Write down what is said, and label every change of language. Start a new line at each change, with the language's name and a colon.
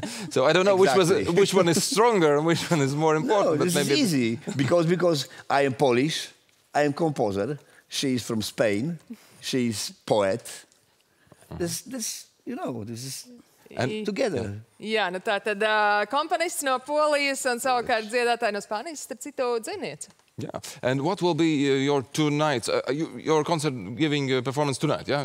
English: So I don't know which one is stronger and which one is more important. No, this maybe is easy because I am Polish, I am composer, she is from Spain. She's poet. This you know, this is and together.
Latvian: Jā, nu tā tad komponists no Polijas un savukārt dziedātāji no Spānijas, starp citu dzinieci.
English: Yeah. And what will be your tonight your concert giving performance tonight, yeah,